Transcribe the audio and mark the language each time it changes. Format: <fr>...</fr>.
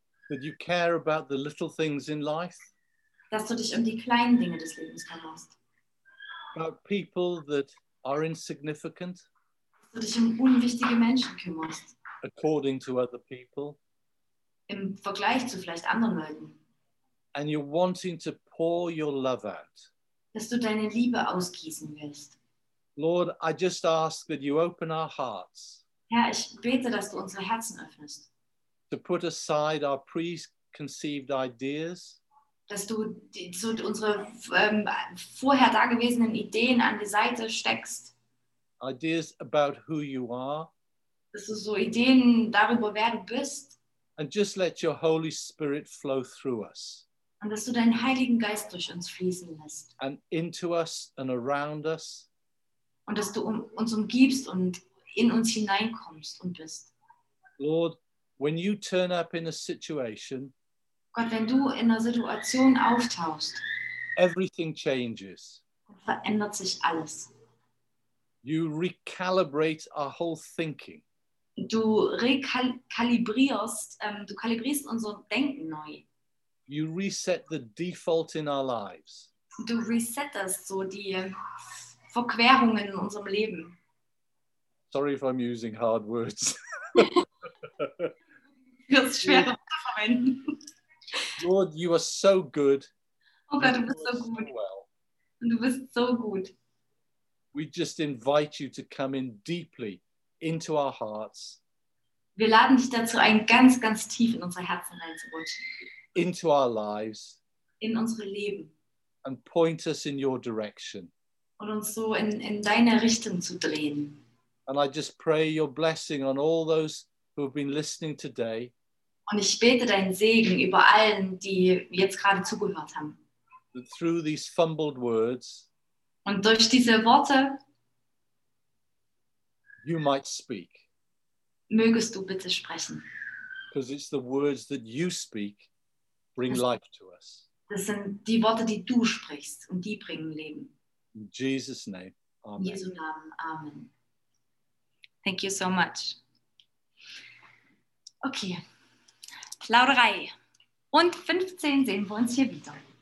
<en>That you care about the little things in life.</en> <de>Dass du dich um die kleinen Dinge des Lebens kümmerst.</de> <en>About people that are insignificant.</en> <de>Dass du dich um unwichtige Menschen kümmerst.</de> <en>According to other people.</en> <de>Im Vergleich zu vielleicht anderen Leuten.</de> <en>And you're wanting to pour your love out.</en> <de>Dass du deine Liebe ausgießen willst.</de> <en>Lord, I just ask that you open our hearts.</en> <de>Herr, ich bete, dass du unsere Herzen öffnest.</de> <en>To put aside our preconceived ideas.</en> <de>Dass du so unsere vorher dagewesenen Ideen an die Seite steckst.</de> <en>Ideas about who you are.</en> <de>Dass du so Ideen darüber, wer du bist.</de> <en>And just let your Holy Spirit flow through us.</en> <de>Und dass du deinen Heiligen Geist durch uns fließen lässt.</de> <en>And into us and around us.</en> <de>Und dass du uns umgibst und in uns hineinkommst und bist.</de> <en>Lord, when you turn up in a situation,</en> <de>Gott, wenn du in einer Situation auftauchst,</de> <en>everything changes.</en> <de>Verändert sich alles.</de> <en>You recalibrate our whole thinking.</en> <de>Du rekalibrierst, du kalibrierst unser Denken neu.</de> <en>You reset the default in our lives.</en> <de>Du resettest so die Verquerungen in unserem Leben.</de> <en>Sorry if I'm using hard words.</en> <de>Das ist schwer, Lord, zu verwenden.</de> <en>Lord, you are so good.</en> <de>Oh Gott, du bist so gut. Well. Und du bist so gut.</de> <en>We just invite you to come in deeply into our hearts.</en> <de>Wir laden dich dazu ein, ganz, ganz tief in unser Herzen reinzurutschen.</de> <en>Into our lives.</en> <de>In unsere Leben.</de> <en>And point us in your direction.</en> <de>Und uns so in deine Richtung zu drehen.</de> <en>And I just pray your blessing on all those who have been listening today.</en> <de>Und ich bete deinen Segen über allen, die jetzt gerade zugehört haben.</de> <en>That through these fumbled words.</en> <de>Und durch diese Worte.</de> <en>You might speak.</en> <de>Mögest du bitte sprechen.</de> <en>Because it's the words that you speak bring life to us.</en> <de>Das sind die Worte, die du sprichst und die bringen Leben.</de> <en>In Jesus' name, Amen. In</en> <de>Jesu Namen, Amen.</de> <en>Thank you so much.</en> <de>Okay, Plauderei. Und 15 sehen wir uns hier wieder.</de>